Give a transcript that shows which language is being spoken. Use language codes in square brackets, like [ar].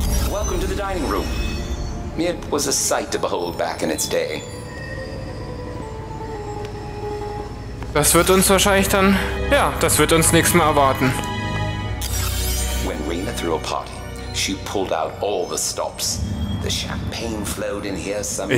[en] Welcome to the dining room. It was a sight to behold back in its day. [de] Das wird uns wahrscheinlich dann. Ja, das wird uns nächstes Mal erwarten. [en] When Rena threw a party, she pulled out all the stops. The champagne flowed in here somewhere.